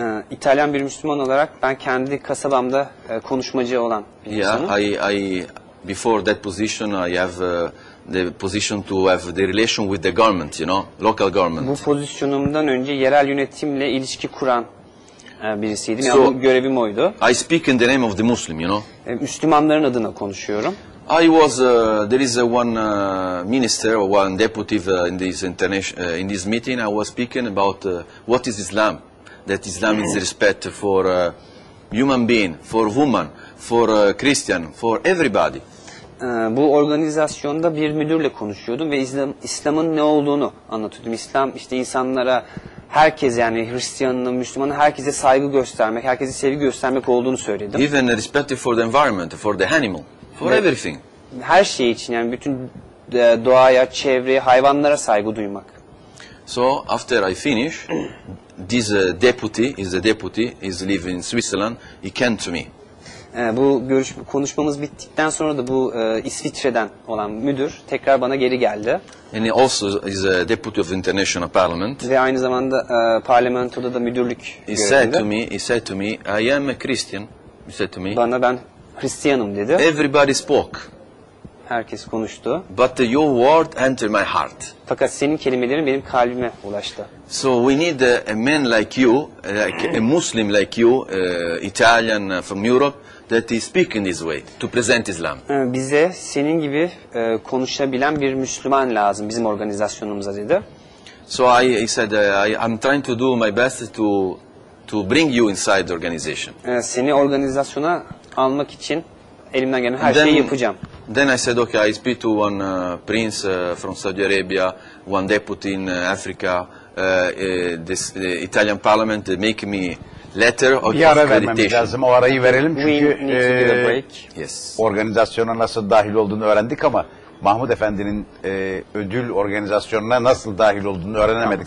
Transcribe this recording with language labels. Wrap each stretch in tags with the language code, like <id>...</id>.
<tr>İtalyan bir Müslüman olarak ben kendi kasabamda konuşmacı olan bir insanım.</tr> <en>Yeah, I before that position I have the position to have the relation with the government, local government.</en> <tr>Bu pozisyonumdan önce yerel yönetimle ilişki kuran birisiydim. Yani görevim oydu.</tr> <en>I speak in the name of the Muslim,</en> <tr>Müslümanların adına konuşuyorum.</tr> <en>I was there is one minister or one deputy in this in this meeting. I was speaking about what is Islam, that Islam is respect for human being, for woman, for Christian, for everybody.</en> <tr>Bu organizasyonda bir müdürle konuşuyordum ve İslam'ın ne olduğunu anlatıyordum. İslam işte insanlara, herkes yani Hristiyanını, Müslümanı, herkese saygı göstermek, herkese sevgi göstermek olduğunu söyledim.</tr> <en>Even respect for the environment, for the animal, for everything.</en> <tr>Her şey için yani bütün doğaya, çevreye, hayvanlara saygı duymak.</tr> <en>So after I finish, this deputy, is the deputy, is living in Switzerland, he came to me.</en> <tr>Bu konuşmamız bittikten sonra da bu İsviçre'den olan müdür tekrar bana geri geldi.</tr> <en>And he also is a deputy of the International Parliament.</en> <tr>Ve aynı zamanda parlamentoda da müdürlük görevinde.</tr> <en>He said to me, I am a Christian. He said to me.</en> <tr>Bana ben Hristiyanım dedi.</tr> <en>Everybody spoke.</en> <tr>Herkes konuştu.</tr> <en>But your word entered my heart.</en> <tr>Fakat senin kelimelerin benim kalbime ulaştı.</tr> <en>So we need a man like you, like a Muslim like you, Italian from Europe, that is speaking this way to present Islam.</en> <tr>Bize senin gibi konuşabilen bir Müslüman lazım bizim organizasyonumuza dedi.</tr> <en>So I said I'm trying to do my best to bring you inside the organization.</en> <tr>Seni organizasyona almak için elimden gelen her şeyi yapacağım.</tr> <en>Then I said, okay, I speak to one prince from Saudi Arabia, one deputy in Africa, this Italian parliament make me letter of accreditation.</en> <tr>Bir ara vermemiz lazım, o arayı verelim çünkü organizasyona nasıl dahil olduğunu öğrendik ama Mahmut Efendi'nin ödül organizasyonuna nasıl dahil olduğunu öğrenemedik. Tamam.</tr>